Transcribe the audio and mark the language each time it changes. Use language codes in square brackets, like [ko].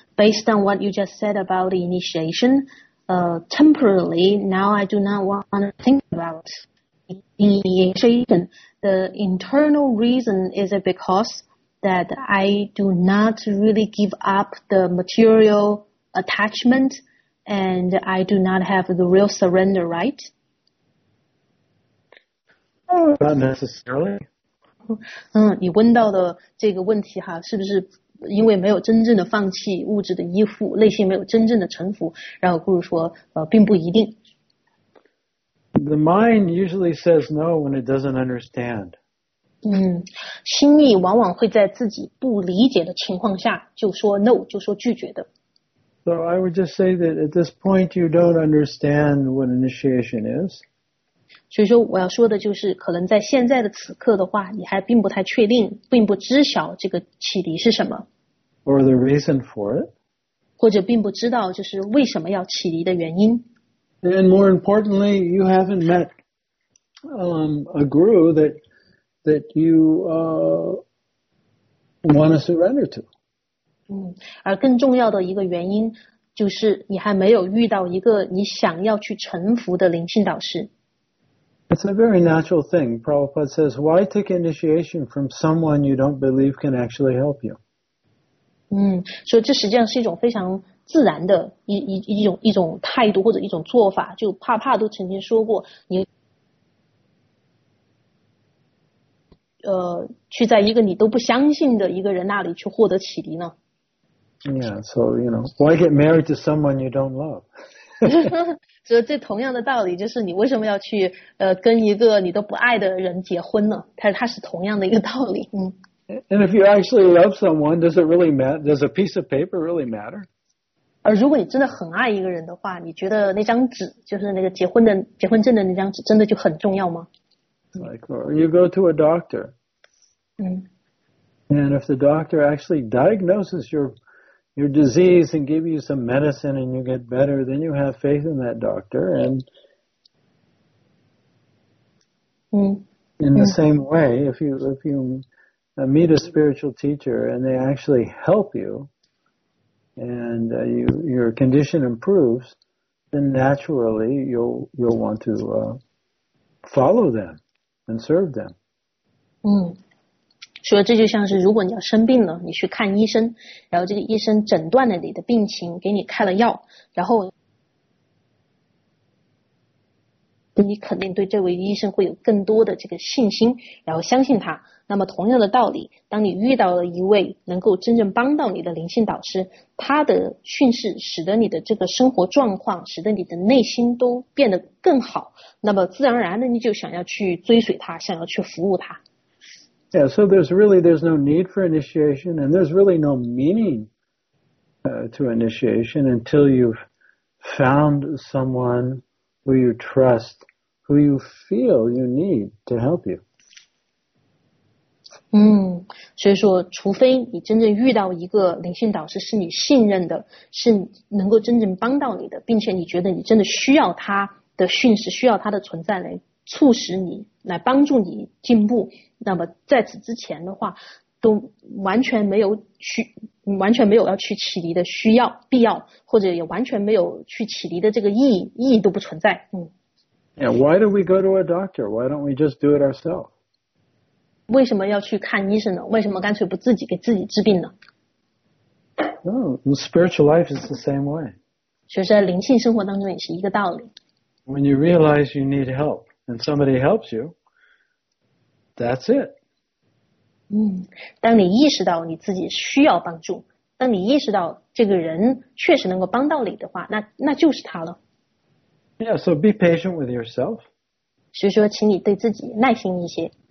[en] Based on what you just said about the initiation, temporarily, now I do not want to think aboutinitiation. The internal reason is it because that I do not really give up the material attachment and I do not have the real surrender, right? Not necessarily. [zh] 你问到的这个问题哈，是不是因为没有真正的放弃物质的依附，内心没有真正的臣服，然后故事说并不一定。 [en] The mind usually says no when it doesn't understand. [zh] 心意往往会在自己不理解的情况下就说 no， 就说拒绝的。 [en] So I would just say that at this point you don't understand what initiation is. [zh] 所以说我要说的就是，可能在现在的此刻的话，你还并不太确定，并不知晓这个启迪是什么。 [en] Or the reason for it. [zh] 或者并不知道就是为什么要启迪的原因。 [en] And more importantly, you haven't met a guru that you want to surrender to. [zh] 而更重要的一个原因就是你还没有遇到一个你想要去臣服的灵性导师。 [en] It's a very natural thing. Prabhupada says, why take initiation from someone you don't believe can actually help you? [zh] 所以这实际上是一种非常自然的 一种态度或者一种做法，就帕帕都曾经说过，你去在一个你都不相信的一个人那里去获得启迪呢？ [en] Yeah, so you know, why get married to someone you don't love? [zh] 所以这同样的道理，就是你为什么要去跟一个你都不爱的人结婚呢？它是同样的一个道理。 [en] And if you actually love someone, does it really matter? Does a piece of paper really matter? [zh] 而如果你真的很爱一个人的话，你觉得那张纸，就是那个结婚证的那张纸，真的就很重要吗？ [en] Like, or you go to a doctor. And if the doctor actually diagnoses your disease and give you some medicine and you get better, then you have faith in that doctor. And in the same way, if you meet a spiritual teacher and they actually help you and your condition improves, then naturally you'll want to follow them and serve them. [zh] 所以这就像是如果你要生病了，你去看医生，然后这个医生诊断了你的病情，给你开了药，然后你肯定对这位医生会有更多的这个信心，然后相信他。那么同样的道理，当你遇到了一位能够真正帮到你的灵性导师，他的训示使得你的这个生活状况，使得你的内心都变得更好，那么自然而然的你就想要去追随他，想要去服务他。 [en] Yeah, so there's no need for initiation and there's really no meaning to initiation until you've found someone who you trust, who you feel you need to help you. [zh] 所以说除非你真正遇到一个灵性导师是你信任的，是能够真正帮到你的，并且你觉得你真的需要他的训示，需要他的存在来促使你，来帮助你进步，那么在此之前的话都完全没有去，完全没有要去启迪的需要必要，或者也完全没有去启迪的这个意义，意义都不存在。 [en] Yeah, why do we go to a doctor? Why don't we just do it ourselves? [zh] 为什么要去看医生呢？为什么干脆不自己给自己治病呢？ [en] No, spiritual life is the same way. [zh] 其实在灵性生活当中也是一个道理。 [en] When you realize you need help and somebody helps you, that's it. [zh] 当你意识到你自己需要帮助，当你意识到这个人确实能够帮到你的话，那就是他了。 [en] Yeah, so be patient with yourself. [zh] 所以说请你对自己耐心一些。